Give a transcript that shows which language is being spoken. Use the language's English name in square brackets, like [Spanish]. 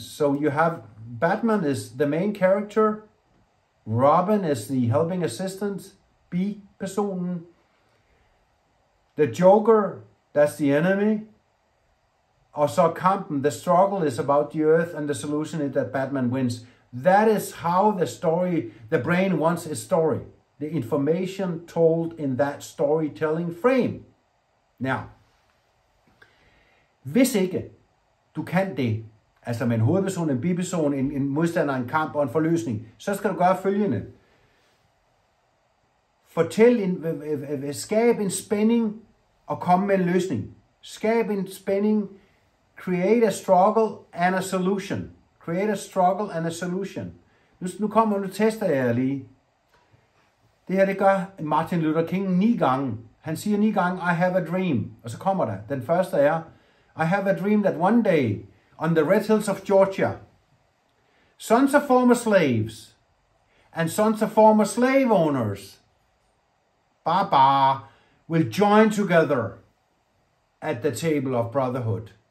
[English] So you have Batman is the main character, Robin is the helping assistant, B-personen. The Joker, that's the enemy. [Danish] Og så kampen, [English] the struggle is about the earth and the solution is that Batman wins. That is how the brain wants a story. The information told in that storytelling frame. [Danish] Now, hvis ikke du kan det, altså med en hovedperson, en biperson, en modstander, en kamp og en forløsning, så skal du gøre følgende. Fortæl, skab en spænding og komme med en løsning. Skab en spænding. [English] Create a struggle and a solution. Create a struggle and a solution. [Danish] Nu kommer, nu tester jeg lige. Det her, det gør Martin Luther King 9 gange. Han siger 9 gange, [English] I have a dream. [Danish] Og så kommer der. Den første er, [English] I have a dream that one day, on the red hills of Georgia, sons of former slaves, and sons of former slave owners, Baba, will join together at the table of brotherhood.